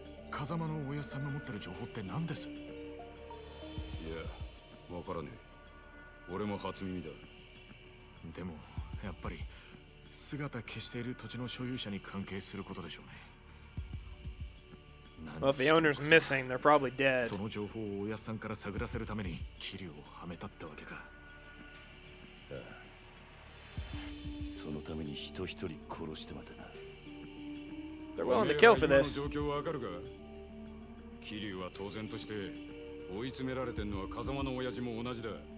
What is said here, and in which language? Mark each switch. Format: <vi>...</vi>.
<ja>風間のおやすさんが持ってる情報って何です? いや、わからねえ。俺も初耳だ。でも、やっぱり姿消している土地の所有者に関係することでしょうね。</ja> <en>Well, if the owner's missing, they're probably dead.</en> <ja>その情報をおやすさんから探らせるために桐生をはめたってわけか。そのために人一人殺してまでな。</ja> <en>They're willing to kill for this.</en> <ja>状況はわかるか。キリュウは当然として追い詰められてんのは風間の親父も同じだ。</ja>